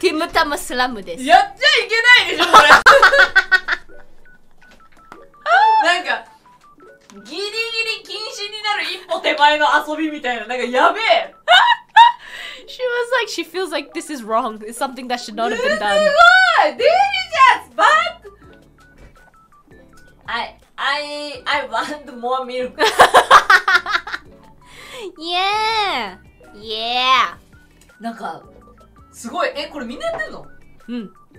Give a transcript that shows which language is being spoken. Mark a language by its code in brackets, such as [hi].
[ja] ティムタムスラムです。やっちゃいけないでしょこれ。なんかギリギリ禁止になる一歩手前の遊びみたいな、なんかやべえ。 [en] She was like, she feels like this is wrong. It's something that should not have been done. [ja] すごい Delicious! [en] But... I want more milk. yeah! Yeah! [ja] なんか、すごい。え、これみんなやってんの？うん。